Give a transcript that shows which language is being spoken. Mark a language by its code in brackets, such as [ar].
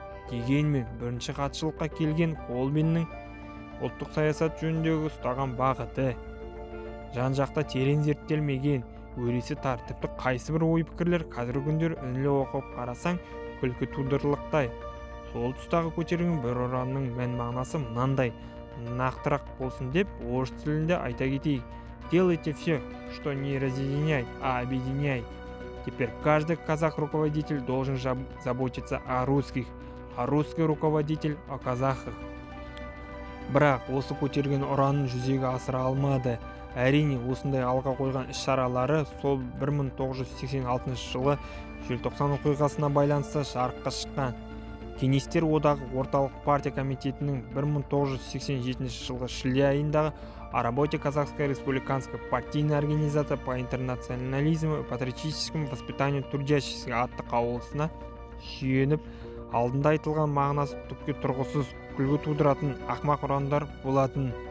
[kk] Дегенмен, бірінші хатшылыққа келген Колбиннің ұлттық саясат жөніндегі ұстаған бағыты жан-жақта терең зерттелмеген, өресі тәртіпті қайсыбір ой-пікірлер қазіргі күндер үнілі оқып қарасаң күлкі тудырлықтай. Сол тұстағы көтерген бір ұранның мән-мағынасы мынандай: нақтырақ болсын деп орыс тілінде айта кетейік: [ru] делайте все, что не разъединяй, а объединяй. Теперь каждый казах руководитель должен заботиться о русских, а русский руководитель о казахах. [kk] Бірақ осы көтерген ұранын жүзеге асыра алмады. Әрине, осындай алға қойған іс-шаралары сол 1986 жылы желтоқсан оқиғасына байланысты жарыққа шыққан. Кеңестер одағы орталық партия комитетінің 1987 жылғы шілде айындағы [ru] «О работе Казахской республиканской партийной организации по интернационализму и патриотическому воспитанию трудящихся» [kk] атты қаулысына сүйеніп, алдында айтылған мағынасы түпке тұрғысыз күлгі тудыратын ақымақ ұрандар болатын.